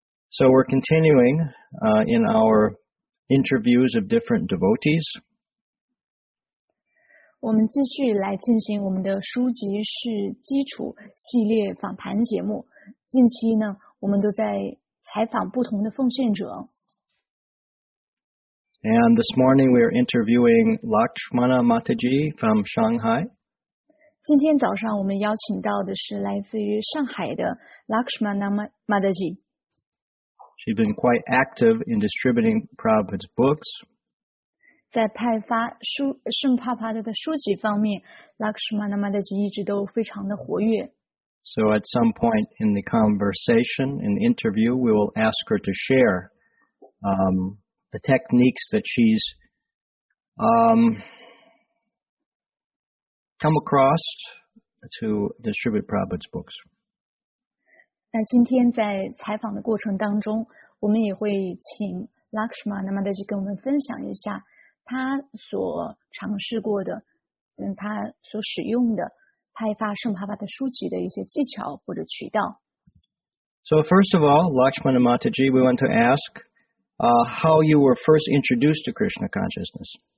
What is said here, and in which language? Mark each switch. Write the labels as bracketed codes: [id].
[en] So we're continuing in our interviews of different devotees. [zh] 我们继续来进行我们的书籍是基础系列访谈节目。近期呢，我们都在采访不同的奉献者。 [en] And this morning we are interviewing Lakshmana Mataji from Shanghai. [zh] 今天早上我们邀请到的是来自于上海的 Lakshmana Mataji. [en] She's been quite active in distributing Prabhupada's books. [zh] 在派发书圣帕帕的书籍方面 ，Lakshmana Mataji 一直都非常的活跃。 [en] So at some point in the conversation, in the interview, we will ask her to share the techniques that she's come across to distribute Prabhupada's books. [zh] 那今天在采访的过程当中，我们也会请 Lakshmana Mataji 跟我们分享一下她所尝试过的，她所使用的。派发圣帕帕的书籍的一些技巧或者渠道。 [en] So first of all, Lakshmana Mataji, we want to ask, how you were first introduced to Krishna consciousness.